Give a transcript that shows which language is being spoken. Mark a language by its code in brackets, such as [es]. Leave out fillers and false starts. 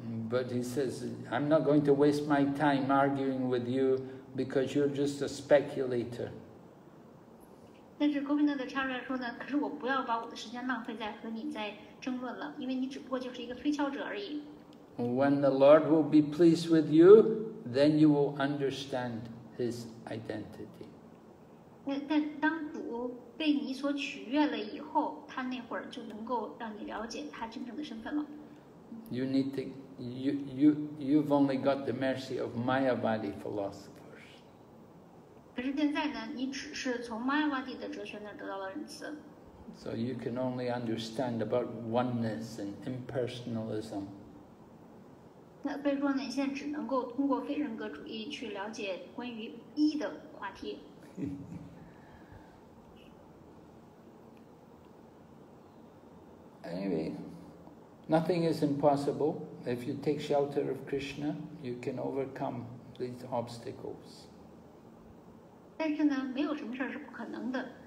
[en] But he says, I'm not going to waste my time arguing with you because you're just a speculator. [zh] 但是 Gopinathacharya 说呢，可是我不要把我的时间浪费在和你在争论了，因为你只不过就是一个推敲者而已。 [en] When the Lord will be pleased with you, then you will understand. His identity. [zh] 但当主被你所取悦了以后，他那会儿就能够让你了解他真正的身份了。 [en] You need to, you've only got the mercy of Mayavadi philosophers. [zh] 可是现在呢，你只是从 Mayavadi 的哲学那得到了恩赐。 [en] So you can only understand about oneness and impersonalism. [zh] 那所以说呢，你现在只能够通过非人格主义去了解关于一的话题。 [en] Anyway, nothing is impossible. If you take shelter of Krishna, you can overcome these obstacles. [zh] 但是呢，没有什么事是不可能的。